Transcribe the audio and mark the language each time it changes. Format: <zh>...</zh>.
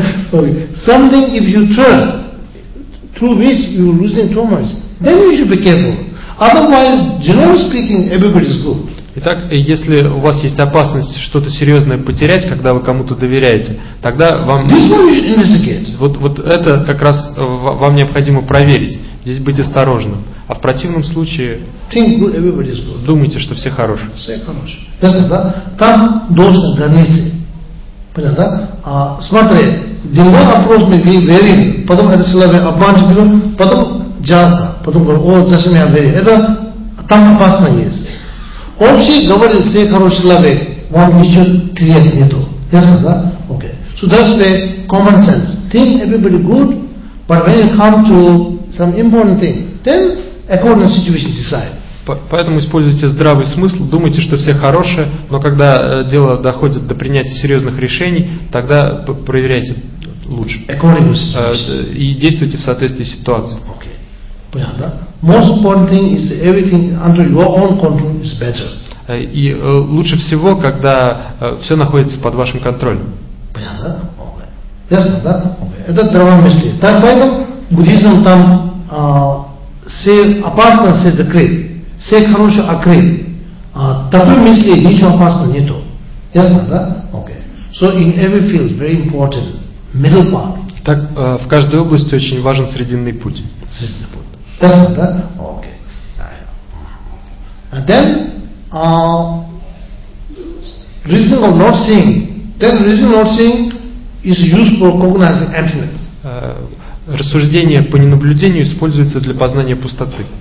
<en>Something if you trust, through which you're losing too much, then you should be careful. Otherwise, generally speaking, everybody is good.</en> <ru>Итак, если у вас есть опасность что-то серьезное потерять, когда вы кому-то доверяете, тогда вам... Вот это как раз вам необходимо проверить. Здесь быть осторожным. А в противном случае... Думайте, что все хорошие. Все хорошие. Там должны границы. Понятно, да? Смотри, деньги опросные, вы верили, потом это человек обманчивый, потом жалко, потом говорит, о, зачем я верю. Это там опасно есть. Общий говорит, все хорошие человек, вам ничего терять нету. Ясно, да?</ru> <en>Okay. So that's the common sense. Think everybody good, but when it comes to some important thing, then according to situation decide.</en> <ru>Поэтому используйте здравый смысл, думайте, что все хорошие, но когда дело доходит до принятия серьезных решений, тогда проверяйте лучше.</ru> <en>According to situation.</en> <ru>И действуйте в соответствии с ситуацией.</ru> <en>Okay.</en> <ru>Понятно, да?</ru> <en>Most important thing is everything under your own control is better.</en> <ru>И лучше всего, когда все находится под вашим контролем. Понятно, да? Ясно, да? Это здравомыслие. Так, поэтому буддизм там все опасности закрыт, все хорошие открыты. Такой мысли ничего опасного нету. Ясно, да? Окей.</ru> <en>So in every field very important middle path.</en> <ru>Так в каждой области очень важен срединный путь. Срединный путь. Ясно, да? Окей.</ru> <en>And then reason of not seeing. Then reason of not seeing is used for cognizing emptiness.</en> <ru>Рассуждение по ненаблюдению используется для познания пустоты.</ru>